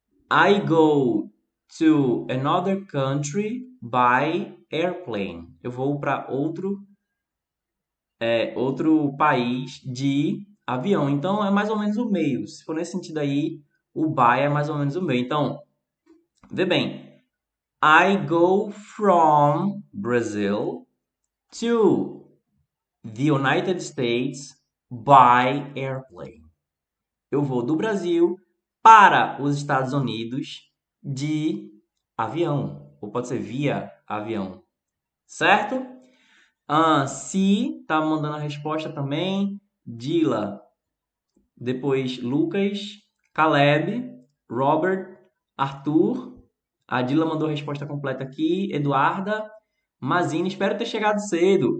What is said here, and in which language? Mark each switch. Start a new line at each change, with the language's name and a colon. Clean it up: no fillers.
English: I go to another country by airplane.
Portuguese: Eu vou para outro país de avião. Então é mais ou menos o meio. Se for nesse sentido aí, o by é mais ou menos o meio. Então, vê bem.
English: I go from Brazil to the United States by airplane.
Portuguese: Eu vou do Brasil para os Estados Unidos de avião, ou pode ser via avião, certo? Se tá mandando a resposta também, Dila, depois Lucas, Caleb, Robert, Arthur, a Dila mandou a resposta completa aqui, Eduarda, Mazine, espero ter chegado cedo.